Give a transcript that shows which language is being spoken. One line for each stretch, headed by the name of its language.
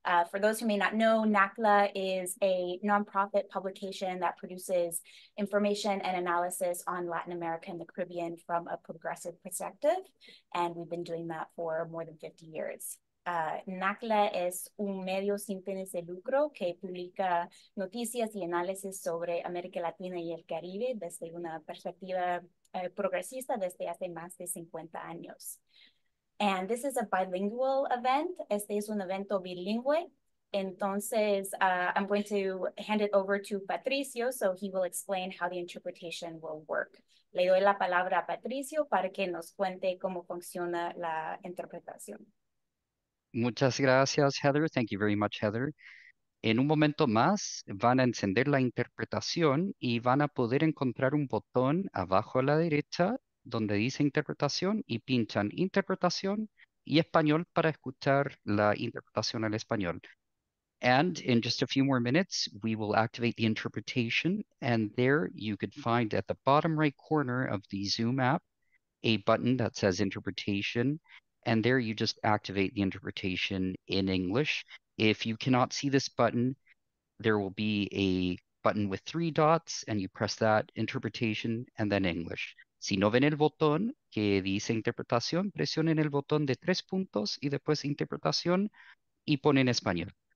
English: For those who may not know, NACLA is a nonprofit publication that produces information and analysis on Latin America and the Caribbean from a progressive perspective, and we've been doing that for more than 50 years.
Spanish: NACLA es un medio sin fines de lucro que publica noticias y análisis sobre América Latina y el Caribe desde una perspectiva progresista desde hace más de 50 años.
English: And this is a bilingual event.
Spanish: Este es un evento bilingüe. Entonces,
English: I'm going to hand it over to Patricio so he will explain how the interpretation will work.
Spanish: Le doy la palabra a Patricio para que nos cuente cómo funciona la interpretación. Muchas gracias,
English: Heather. Thank you very much, Heather.
Spanish: En un momento más, van a encender la interpretación y van a poder encontrar un botón abajo a la derecha donde dice interpretación y pinchan interpretación y español para escuchar la interpretación al español.
English: And in just a few more minutes, we will activate the interpretation. And there you could find at the bottom right corner of the Zoom app, a button that says interpretation. And there you just activate the interpretation in English. If you cannot see this button, there will be a button with three dots and you press that interpretation and then English.
Spanish: Si no ven el botón que dice interpretación, presionen el botón de tres puntos y después interpretación y ponen español.